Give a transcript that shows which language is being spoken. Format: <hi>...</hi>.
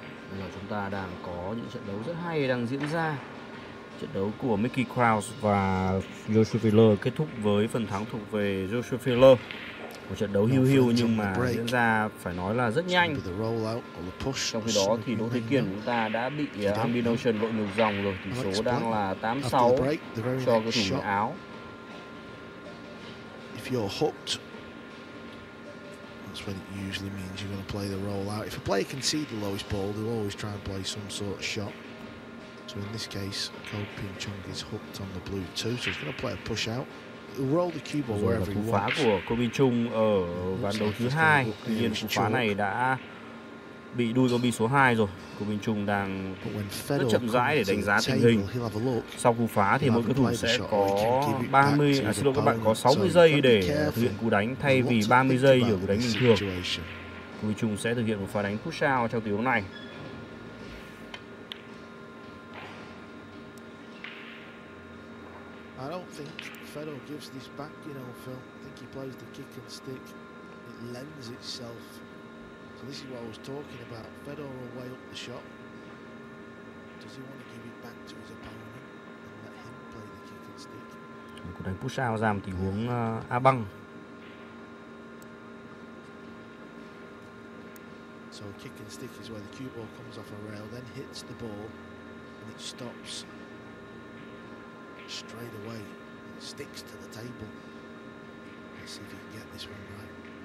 <vi>Bây giờ chúng ta đang có những trận đấu rất hay đang diễn ra. Trận đấu của Mickey Krause và Joshua Fuller kết thúc với phần thắng thuộc về Joshua Fuller. Một trận đấu hiu hiu nhưng mà diễn ra phải nói là rất nhanh. Trong khi đó thì Đỗ Thế Kiên chúng ta đã bị Albin Aushin lội ngược dòng rồi. Tỷ số đang là 8-6 cho cái thủ người Áo.</vi> <en>If you're hooked, that's when it usually means you're going to play the roll out. If a player can see the lowest ball, they'll always try and play some sort of shot. So in this case, Coping Chung is hooked on the blue two, so he's going to play a push out. He'll roll the cue ball</en> <vi>rồi</vi> <en>wherever he wants.</en> <vi>Phá của Coping Chung ở ván đấu thứ hai. Tuy nhiên cú phá này đã bị đuôi con bi số 2 rồi. Coping Chung đang rất chậm rãi để đánh giá tình hình. Sau cú phá thì mỗi cầu thủ sẽ có 30, xin lỗi các bạn, có 60 giây để thực hiện cú đánh thay vì 30 giây ở cú đánh bình thường. Coping Chung sẽ thực hiện một pha đánh push out trong tình huống này.</vi> <en>I don't think Fedor gives this back, you know, Phil. I think he plays the kick and stick. It lends itself. So this is what I was talking about. Fedor will weigh up the shot. Does he want to give it back to his opponent and let him play the kick and stick?</en> <vi>Cú đánh push out ra một tình huống a băng.</vi> <en>So kick and stick is where the cue ball comes off a rail, then hits the ball, and it stops straight away. It sticks to the table. Let's see if you can get this one right.</en>